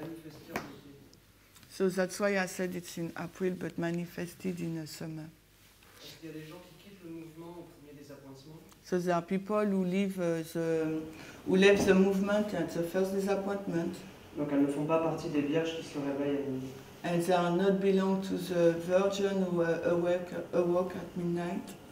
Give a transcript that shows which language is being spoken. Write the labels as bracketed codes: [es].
[fr] mais manifesté en juillet. [en] So that's why I said it's in April, but manifested in the summer. [fr] Parce qu'il y a des gens qui quittent le mouvement au premier désappointement. [en] So there are people who leave the movement at the first disappointment. [fr] Donc elles ne font pas partie des vierges qui se réveillent à [en] midnight. And they are not belong to the virgin who awoke at midnight.